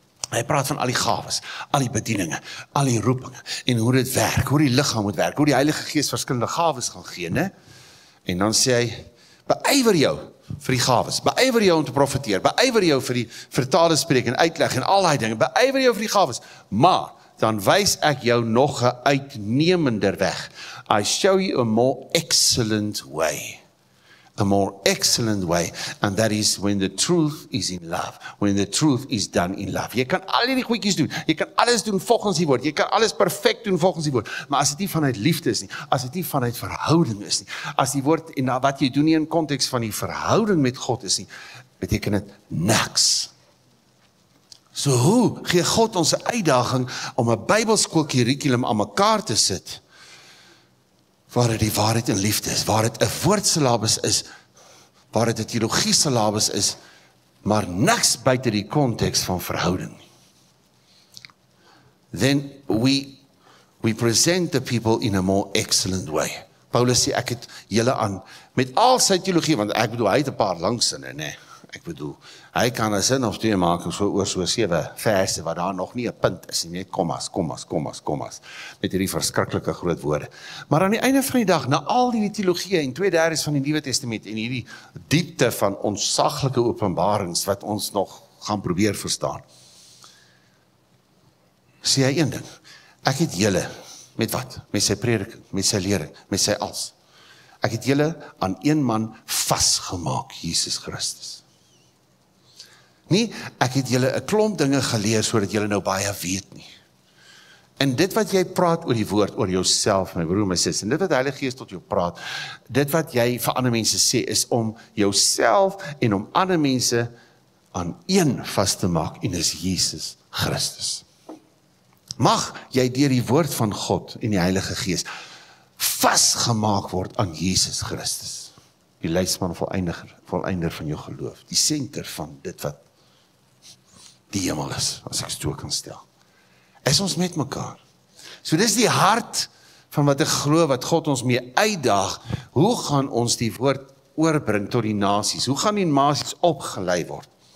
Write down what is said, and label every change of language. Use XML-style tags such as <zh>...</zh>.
<af>Hy praat van al die gawes, al die bedieninge, al die roepinge, en hoe dit werk, hoe die liggaam moet werk, hoe die Heilige Gees verskillende gawes gaan gee, ne? En dan sê hy, beywer jou vir die gawes, beywer jou om te profeteer, beywer jou vir die vertale spreek en uitleg en al die dinge, beywer jou vir die gawes, maar, dan wys ek jou nog 'n uitnemender weg.</af> <en>I show you a more excellent way. A more excellent way, and that is when the truth is in love. When the truth is done in love.</en> <af>Jy kan al die goedjies doen, jy kan alles doen volgens die woord, jy kan alles perfek doen volgens die woord, maar as dit nie vanuit liefde is nie, as dit nie vanuit verhouding is nie, as die woord en wat jy doen nie in context van die verhouding met God is nie, beteken dit niks. So hoe gee God ons 'n uitdaging om 'n Bybelskool curriculum aan mekaar te sit, waar het die waarheid en liefde is, waar het 'n woordsyllabus is, waar het 'n teologie syllabus is, maar niks buite die konteks van verhouding.</af> <en>Then we present the people in a more excellent way.</en> <af>Paulus sê, ek het julle aan, met al sy teologie, want ek bedoel, hy het 'n paar langsinne, nee. Ek bedoel, hy kan 'n sin of twee maak oor so 7 verse, wat daar nog nie 'n punt is, nie, kommas, met hierdie verskriklike groot woorde. Maar aan die einde van die dag, na al die teologie en 2/3 van die Nuwe Testament, en hierdie diepte van ontsaglike openbarings, wat ons nog gaan probeer verstaan, sê hy een ding, ek het julle, met wat? Met sy prediking, met sy lering, met sy als. Ek het julle aan een man vasgemaak, Jesus Christus. Nie, ek het julle 'n klomp dinge geleer sodat julle nou baie weet nie. En dit wat jy praat oor die woord, oor jouself, my broer, my sis, en dit wat die Heilige Gees tot jou praat, dit wat jy vir ander mense sê, is om jouself en om ander mense aan een vas te maak, en is Jesus Christus. Mag jy deur die woord van God en die Heilige Gees vasgemaak word aan Jesus Christus. Die leidsman volleinder van jou geloof, die senter van dit wat die hemel is, as ek so kan stel. Is ons met mekaar? So dis die hart van wat ek glo, wat God ons mee uitdaag, hoe gaan ons die woord oorbring tot die nasies? Hoe gaan die nasies opgelei word?</af>